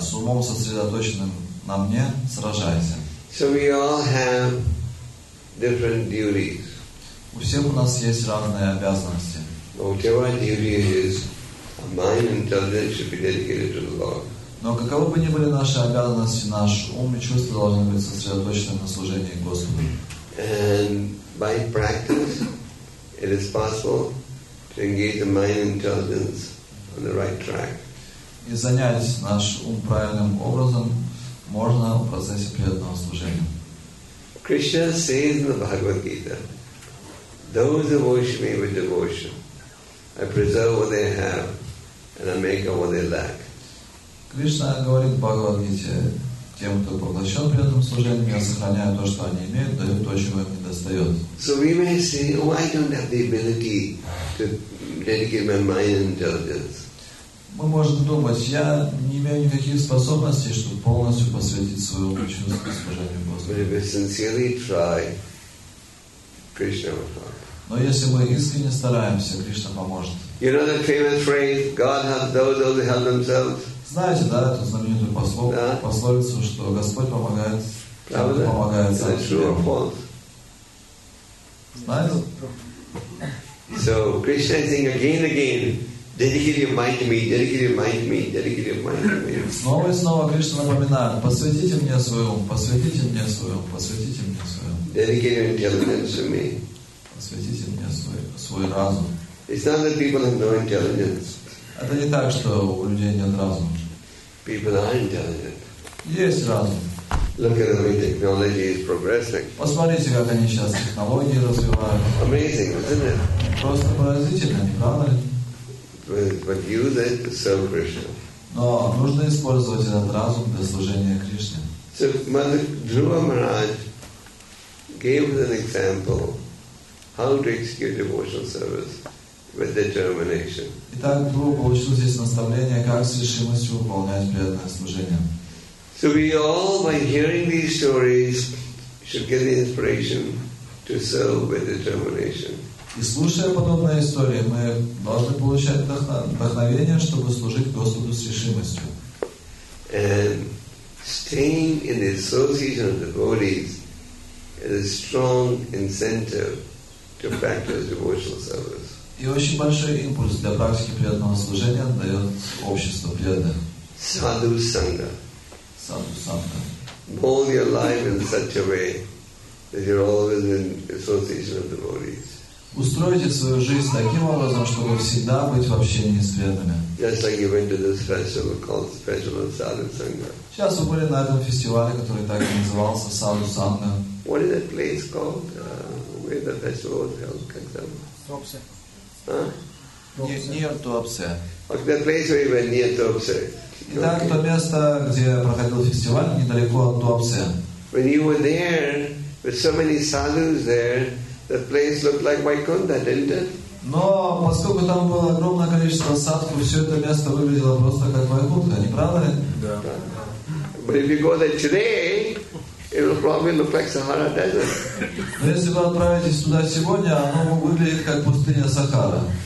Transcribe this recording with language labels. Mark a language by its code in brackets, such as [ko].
[ru] С умом сосредоточенным на мне сражайся. [en] So we all have different duties. [ru] У всех у нас есть разные обязанности. [en] Whatever duty is, mind and intelligence should be dedicated to the Lord. [ru] Но каковы бы ни были наши обязанности, наш ум и чувства должны быть сосредоточены на служении Господу. [en] And by practice, it is possible to engage the mind intelligence on the right track. [ru] И занять наш ум правильным образом можно в процессе преданного служения. [en] Krishna says in the Bhagavad Gita, those who worship me with devotion, I preserve what they have and I make up what they lack. [ru] Krishna говорит в Bhagavad Gita, тем, кто поглощен при этом служением, я сохраняю то, что они имеют, даю то, чего им не достает. [en] So we may say, oh, I don't have the ability to dedicate my mind and intelligence. [ru] Мы можем думать, я не имею никаких способностей, чтобы полностью посвятить свою личность служению Господу. [en] But if we sincerely try, Krishna will help. [ru] Но если мы искренне стараемся, Кришна поможет. [en] You know the famous phrase, God helps those who help themselves. [ru] Знаете, да, эту знаменитую пословицу, что Господь помогает тем, кто помогает сам себе. Знаете? [en] So Krishna is saying again and again, dedicate your mind to me, dedicate your mind to me, dedicate your mind to me. [ru] Снова и снова Кришна напоминает, посвятите мне свой ум, посвятите мне свой ум, посвятите мне свой ум. [en] Dedicate your intelligence to me. [ru] Посвятите мне свой разум. [en] It's not that people have no intelligence. [ru] Это не так, что у людей нет разума. [en] People are intelligent. [ru] Есть разум. [en] Look at the way technology is progressing. [ru] Посмотрите, как они сейчас технологии развивают. [en] Amazing, isn't it? [ru] Просто поразительно, не правда ли? [en] But use it to serve Krishna. [ru] Но нужно использовать этот разум для служения Кришне. [en] So Mother Dhruva Maharaj gave an example how to execute devotional service. With determination. [ru] Итак, Гуру получил здесь наставление, как с решимостью выполнять преданное служение. [en] So we all, by hearing these stories, should get the inspiration to serve with determination. [ru] И слушая подобные истории, мы должны получать вдохновение, чтобы служить Господу с решимостью. [en] And staying in the association of devotees is a strong incentive to practice devotional service. [ru] И очень большой импульс для практики преданного служения дает общество преданных. [sa] Sadhu Sangha. Sadhu Sangha. [en] Hold your life in such a way that you're always in association of devotees. [ru] Устройте свою жизнь таким образом, чтобы всегда быть в общении с преданными. Сейчас вы были на этом фестивале, который так и назывался Саду Санга. [en] What is that place called? Where the festival was held, [ru] как там? Туапсе. [en] Near Туапсе. Okay, the place where we went, near Туапсе. [ru] Итак, то место, где проходил фестиваль, недалеко от Туапсе. [en] When you were there, with so many sadhus there, the place looked like Vaikuntha, didn't it? [ru] Но поскольку там было огромное количество садху, все это место выглядело просто как Вайкунтха, не правда ли? Да. [en] But if you go there today, it will probably look like Sahara Desert. [ru] Но если вы отправитесь туда сегодня, оно выглядит как пустыня Сахара.